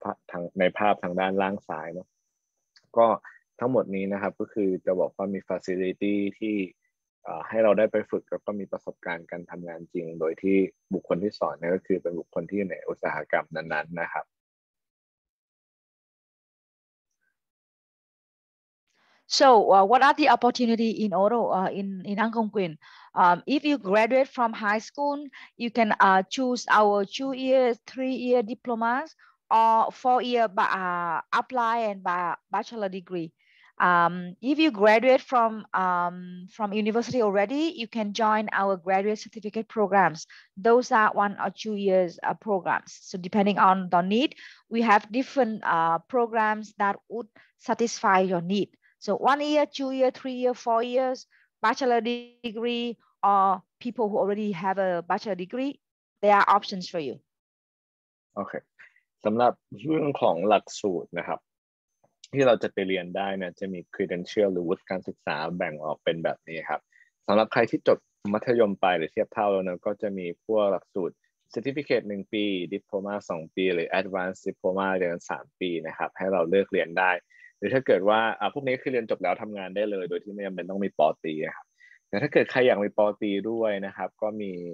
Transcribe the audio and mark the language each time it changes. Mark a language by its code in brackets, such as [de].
[th] ทางในภาพทางด้านล่างซ้ายเนาะก็ทั้งหมดนี้นะครับก็คือจะบอกว่ามีฟาซิลิตี้ที่ให้เราได้ไปฝึกแล้วก็มีประสบการณ์การทำงานจริงโดยที่บุคคลที่สอนเนี่ยก็คือเป็นบุคคลที่อยู่ในอุตสาหกรรมนั้นๆ นะครับ [en] So what are the opportunity in Oro in Angkong Queen? If you graduate from high school, you can choose our 2-year, 3-year diplomas or 4-year apply and bachelor degree. If you graduate from university already, you can join our graduate certificate programs. Those are 1 or 2 years programs. So depending on the need, we have different programs that would satisfy your need. So 1 year, 2 year, 3 year, 4 years, bachelor degree, or people who already have a bachelor degree, there are options for you. Okay. [th] สำหรับเรื่องของหลักสูตรนะครับที่เราจะไปเรียนได้เนี่ยจะมี credential หรือวุฒิการศึกษาแบ่งออกเป็นแบบนี้ครับสำหรับใครที่จบมัธยมปลายหรือเทียบเท่าแล้วเนี่ยก็จะมีพวกหลักสูตร certificate 1ปี diploma 2ปีหรือ advanced diploma เรียน3ปีนะครับให้เราเลือกเรียนได้หรือถ้าเกิดว่าพวกนี้คือเรียนจบแล้วทำงานได้เลยโดยที่ไม่จำเป็นต้องมีปอตีครับแต่ถ้าเกิดใครอยากมีปอตีด้วยนะครับก็มี